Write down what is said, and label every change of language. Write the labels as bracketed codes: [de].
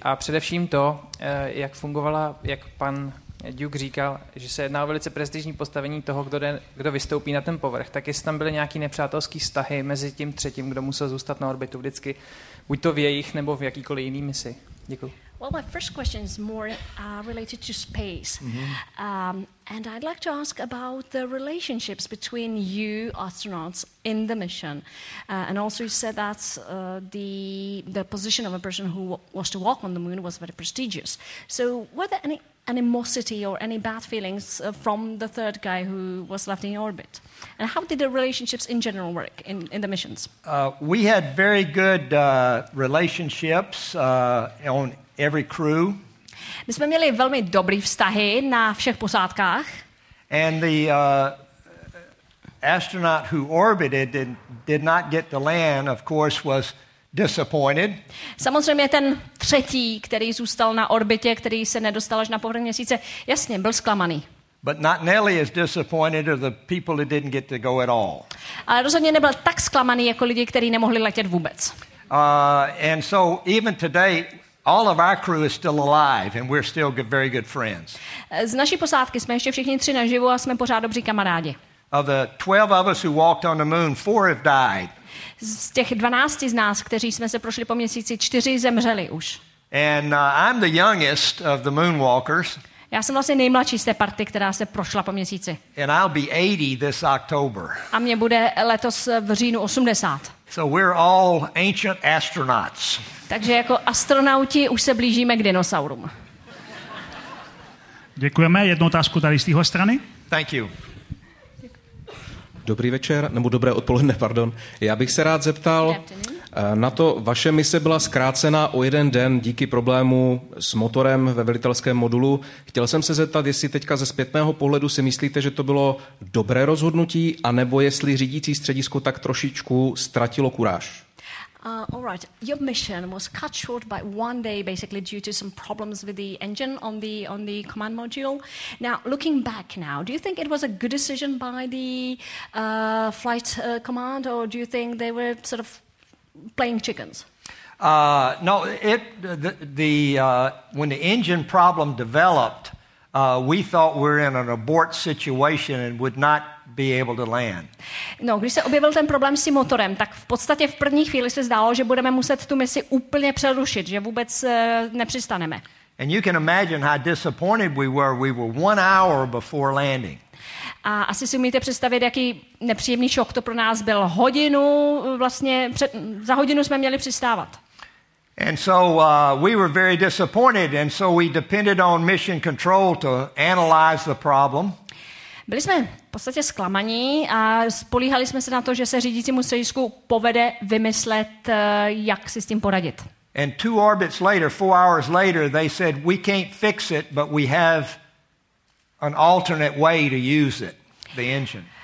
[cs] A především to, jak fungovala, jak pan Duke říkal, že se jedná o velice prestižní postavení toho, kdo vystoupí na ten povrch. Tak jestli tam byly nějaký nepřátelský vztahy mezi tím třetím, kdo musel zůstat na orbitu vždycky, buď to v jejich nebo v jakýkoliv jiný misi. Děkuji. [en] Well, my first question is more related to space. Mm-hmm. And I'd like to ask about the relationships between you astronauts in the mission. And also you said that the position of a person who was to walk on the moon was very prestigious. So were there any animosity or any bad feelings from the third guy who was left in orbit? And how did the relationships in general work in the missions? We had very good relationships on every crew. [cs] My jsme měli velmi dobrý vztahy na všech posádkách. [en] And the astronaut who orbited and did not get to land, of course, was disappointed. [cs] Samozřejmě ten třetí, který zůstal na orbitě, který se nedostal až na povrch měsíce, jasně, byl zklamaný. [en] But not nearly as disappointed of the people who didn't get to go at all. [cs] Ale rozhodně nebyl tak zklamaný jako lidi, kteří nemohli letět vůbec. [en] And so even today all of our crew is still alive and we're still good, very good friends. [cs] Z naší posádky jsme ještě všichni tři naživu a jsme pořád dobří kamarádi. [en] Of the 12 of us who walked on the moon, 4 have died. [cs] Z těch 12 z nás, kteří jsme se prošli po měsíci, 4 zemřeli už. [en] And I'm the youngest of the moonwalkers. [cs] Já jsem vlastně nejmladší z té party, která se prošla po měsíci. [en] And I'll be 80 this October. [cs] A mě bude letos v říjnu 80. [en] So we're all ancient astronauts. [cs] Takže jako astronauti už se blížíme k dinosaurům. Děkujeme. Jednu otázku tady z téhle strany. [en] Thank you. [cs] Dobrý večer, nebo dobré odpoledne, pardon. Já bych se rád zeptal na to, vaše mise byla zkrácena o jeden den díky problému s motorem ve velitelském modulu. Chtěl jsem se zeptat, jestli teďka ze zpětného pohledu si myslíte, že to bylo dobré rozhodnutí, anebo jestli řídící středisko tak trošičku ztratilo kuráž. [en] All right. Your mission was cut short by one day, basically due to some problems with the engine on the command module. Now, looking back now, do you think it was a good decision by the flight command, or do you think they were sort of playing chickens? When the engine problem developed, we thought we're in an abort situation and would not be able to land. [cs] No, když se objevil ten problém s tím motorem, tak v podstatě v první chvíli se zdálo, že budeme muset tu misi úplně přerušit, že vůbec nepřistaneme. [en] And you can imagine how disappointed we were 1 hour before landing. [cs] A asi si umíte představit, jaký nepříjemný šok to pro nás byl. Hodinu vlastně za hodinu jsme měli přistávat. [en] And so we were very disappointed and so we depended on mission control to analyze the problem. [cs] Byli jsme v podstatě zklamaní a spolíhali jsme se na to, že se řídícímu středisku povede vymyslet, jak si s tím poradit. [en] And 2 orbits later, 4 hours later, they said, we can't fix it, but we have an alternate way to use it, the engine.